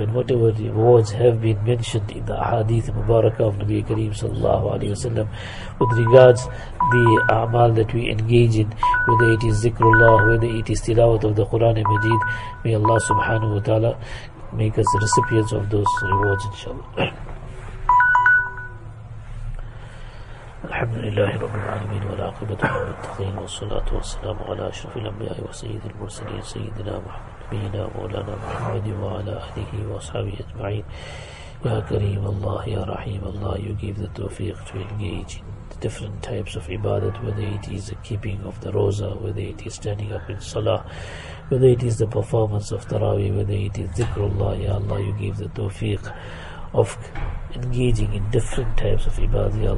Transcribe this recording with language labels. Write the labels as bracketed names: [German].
[English] And whatever rewards have been mentioned in the hadith mubarakah of Nabi Kareem sallallahu alayhi wa sallam, with regards the amal that we engage in, whether it is zikrullah, whether it is tilawat of the Quran and Majid, may Allah subhanahu wa ta'ala make us recipients of those rewards, inshallah. [Arabic] الحمد لله رب العالمين والعاقبة للمتقين والصلاة والسلام على أشرف الأنبياء وسيد المرسلين سيدنا محمد نبينا مولانا محمد وعلى آله وأصحابه أجمعين. يا كريم الله يا رحيم الله, [English] you give the tawfiq to engage in the different types of ibadat, whether it is the keeping of the roza, whether it is standing up in salah, whether it is the performance of tarawih, whether it is dhikrullah. Ya Allah, you give the tawfiq of engaging in different types of ibadah.